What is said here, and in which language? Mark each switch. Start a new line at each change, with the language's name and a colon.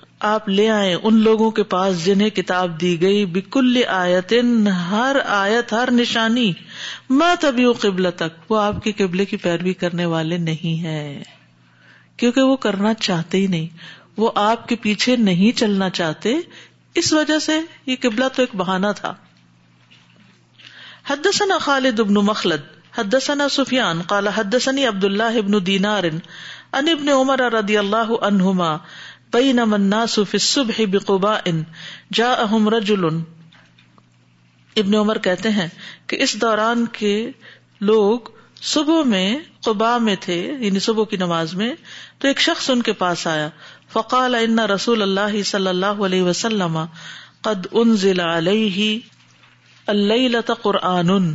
Urdu: آپ لے آئیں ان لوگوں کے پاس جنہیں کتاب دی گئی،
Arabic: بکل آیتن،
Urdu: ہر آیت ہر نشانی،
Arabic: ما تبیو قبلتک،
Urdu: وہ آپ کے قبلے کی پیروی کرنے والے نہیں ہیں، کیونکہ وہ کرنا چاہتے ہی نہیں، وہ آپ کے پیچھے نہیں چلنا چاہتے، اس وجہ سے یہ قبلہ تو ایک بہانہ تھا.
Arabic: حدثنا خالد بن مخلد حدثنا سفیان قال حدثني عبد الله بن دينار عن ابن عمر رضي الله عنهما بينما الناس في الصبح بقباء جاءهم رجل.
Urdu: ابن عمر کہتے ہیں کہ اس دوران کے لوگ صبح میں قباء میں تھے، یعنی صبح کی نماز میں، تو ایک شخص ان کے پاس آیا،
Arabic: فقال ان رسول الله صلى الله عليه وسلم قد انزل عليه اللیلۃ قرآن.